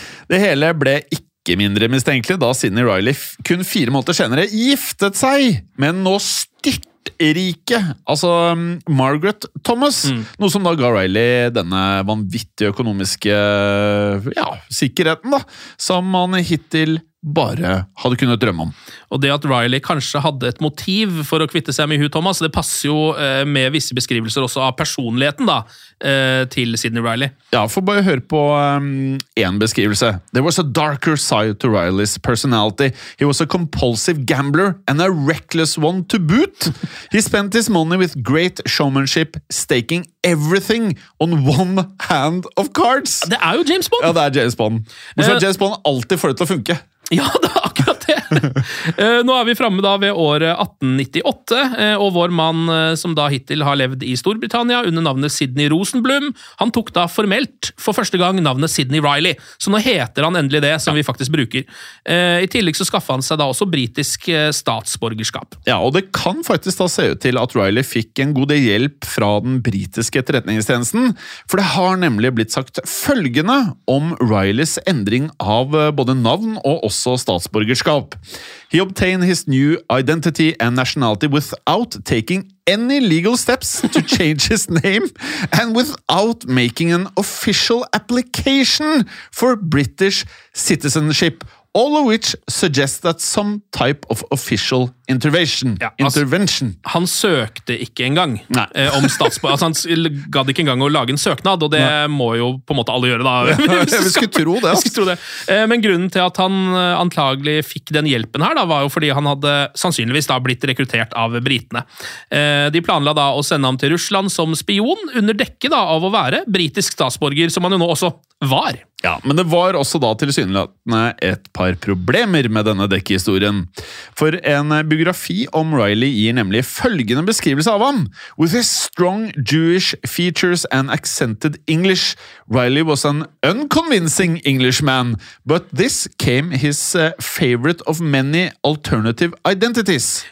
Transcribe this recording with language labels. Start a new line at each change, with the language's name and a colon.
Norwegian: Det hele ble ikke mindre mistenkelig da Sidney Reilly kun 4 måneder senere giftet seg med nå styrtrike, altså Margaret Thomas, noe som da ga Reilly denne vanvittige økonomiske ja, sikkerheten, da, som han hittil bare hadde kunnet drømme om. Og det at Reilly kanskje hadde et motiv for å kvitte seg med Hugh Thomas, det passer jo med visse beskrivelser også av personligheten da, til Sidney Reilly. Ja, for bare høre på en beskrivelse.
English: There was a darker side to Reilly's personality. He was a compulsive gambler and a reckless one to boot. He spent his money with great showmanship, staking everything on one hand of cards.
Norwegian: Det jo James Bond. Ja, det James Bond. Men så James Bond alltid får det til å funke. Ja, det akkurat det. Nå vi fremme da ved året 1898, og vår mann som da hittil har levd I Storbritannia under navnet Sidney Rosenblum, han tok da formelt for første gang navnet Sidney Reilly, så nå heter han endelig det som vi faktisk bruker. I tillegg så skaffet han seg da også britisk statsborgerskap. Ja, og det kan faktisk da se ut til at Reilly fikk en god del hjelp fra den britiske etterretningstjenesten, for det har nemlig blitt sagt følgende om Reillys endring av både navn og også statsborgerskap.
English: He obtained his new identity and nationality without taking any legal steps to change his name and without making an official application for British citizenship. All of which suggests that some type of official intervention.
Norwegian: Ja, altså, intervention. Han søkte ikke engang om statsborger. Altså, han gadd ikke engang å lage en søknad, og det Nei. Må jo på en måte alle gjøre da. Ja, vi skulle tro det. Vi skulle tro det. Men grunnen til at han antagelig fikk den hjelpen her, da, var jo fordi han hadde sannsynligvis da blitt rekruttert av britene. De planla da å sende ham til Russland som spion, under dekke da, av å være britisk statsborger, som han jo nå også var. Ja, men det var også da tilsynelatende et par problemer med denne dekkehistorien. For en biografi om Reilly gir nemlig følgende beskrivelse av ham.
English: With his strong Jewish features and accented English, Reilly was an unconvincing Englishman, but this came his favorite of many alternative identities.